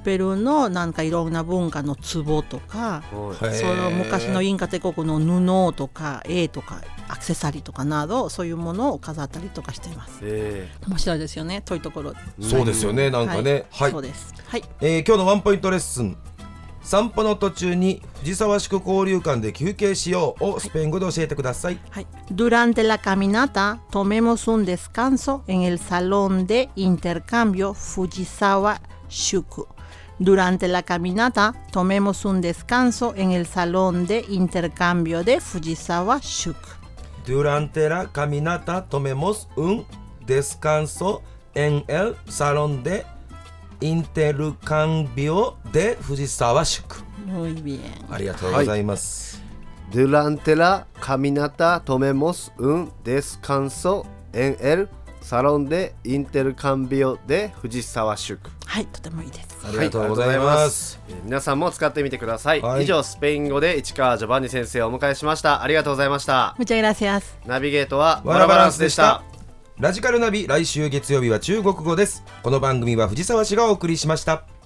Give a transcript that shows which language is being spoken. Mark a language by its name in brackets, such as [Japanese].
[Japanese] ペルーのなんかいろんな文化の壺とか、その昔のインカ帝国の布とか絵とかアクセサリーとかなど、そういうものを飾ったりとかしています。面白いですよね、遠いところ、うん、そうですよね、なんかね、はい、はい、そうです、はい。今日のワンポイントレッスン、散歩の途中に藤沢宿交流館で休憩しようをスペイン語で教えてください。 [Spanish] はい、Durante la caminata tomemos un descanso en el salón de intercambio Fujisawa Shuku. Durante la caminata tomemos un descanso en el salón de intercambio de Fujisawa Shuku. Durante la caminata tomemos un descanso en el salón de intercambio de Fujisawa Shuku. Muy bien. [Japanese] ありがとうございます。 [Spanish] Durante la caminata tomemos un descanso en el salón de intercambio de Fujisawa Shuku. [Japanese] はい、とてもいいです。ありがとうございます。皆さんも使ってみてください。はい、以上、スペイン語で市川ジョバンニ先生をお迎えしました。ありがとうございました。 [Spanish] Muchas gracias。 [Japanese] ナビゲートはワラバランスでした。ラジカルナビ、来週月曜日は中国語です。この番組は藤沢市がお送りしました。